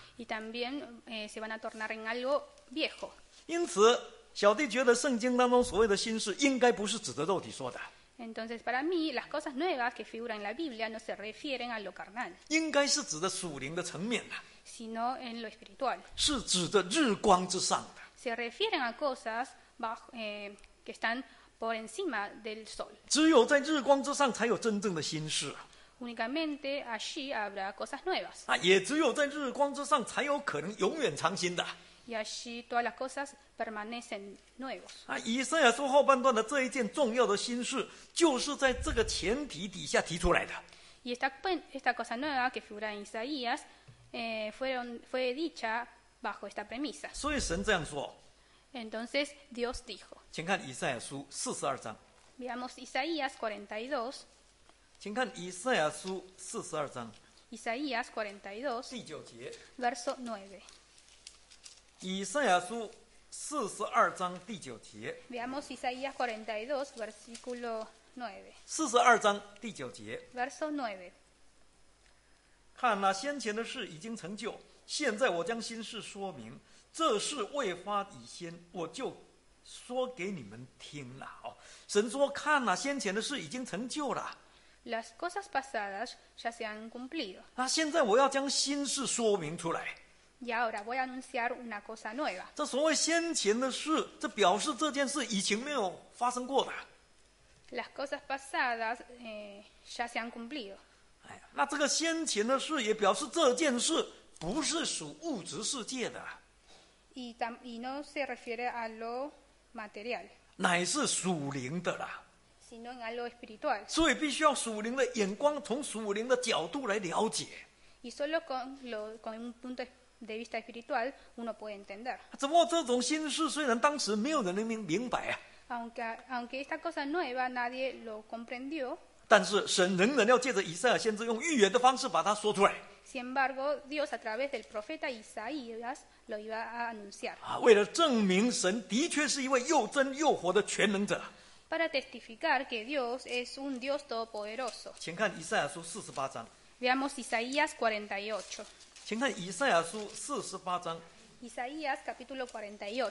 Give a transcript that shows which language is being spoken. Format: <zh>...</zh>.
<es>Y también se van a tornar en algo viejo.</es> <zh>因此，小弟觉得圣经当中所谓的新事，应该不是指着肉体说的。</zh> <es>Entonces, para mí, las cosas nuevas que figuran en la Biblia no se refieren a lo carnal.</es> <zh>应该是指的属灵的层面的。</zh> <es>Sino en lo espiritual.</es> <zh>是指的日光之上的。</zh> <es>Se refieren a cosas que están por encima del sol.</es> <zh>只有在日光之上才有真正的新事。</zh> <es>Únicamente allí habrá cosas nuevas.</es> <zh>那也只有在日光之上才有可能永远长新的。</zh> <es>Y así todas las cosas permanecen nuevos.</es> <zh>以赛亚书后半段的这一件重要的新事，就是在这个前提底下提出来的。</zh> <es>Y esta cosa nueva que figura en Isaías fue dicha bajo esta premisa.</es> <zh>所以神这样说。</zh> <es>Entonces Dios dijo.</es> <zh>请看以赛亚书四十二章。</zh> <es>Veamos Isaías 42.</es> <zh>请看以赛亚书四十二章。</zh> <es>Isaías 42.</es> <zh>第九节。</zh> <es>Verso 9.</es> <zh>以赛亚书四十二章第九节。</zh> <es>Veamos Isaías 42, versículo 9.</es> <zh>四十二章第九节。</zh> <es>Verso 9.</es> <zh>看那、先前的事已经成就，现在我将心事说明，这事未发以先，我就说给你们听了。神说，看那、先前的事已经成就了。</zh> <es>Las cosas pasadas ya se han cumplido.</es> <zh>那现在我要将心事说明出来。</zh> <es>Y ahora voy a anunciar una cosa nueva.</es> <zh>这所谓先前的事，这表示这件事以前没有发生过的。</zh> <es>Las cosas pasadas ya se han cumplido.</es> <zh>那这个先前的事也表示这件事不是属物质世界的。</zh> <es>Y no se refiere a lo material.</es> <zh>乃是属灵的啦。</zh> <es>Sino en algo espiritual.</es> <zh>所以必须要属灵的眼光，从属灵的角度来了解。</zh> <es>Y solo con un punto espiritual. De vista espiritual, uno puede entender.</es> <zh>怎么这种新事虽然当时没有人能明白啊。</zh> <es>Aunque esta cosa nueva nadie lo comprendió.</es> <zh>但是神仍然要借着以赛亚先知用预言的方式把它说出来。</zh> <es>Sin embargo, Dios a través del profeta Isaías lo iba a anunciar.</es> <zh>为了证明神的确是一位又真又活的全能者。</zh> <es>Para testificar que Dios es un Dios todopoderoso.</es> <zh>请看以赛亚书四十八章。</zh> <es>Veamos Isaías 48.</es> <zh>请看以赛亚书四十八章。</zh> <es>Isaías capítulo 48.</es>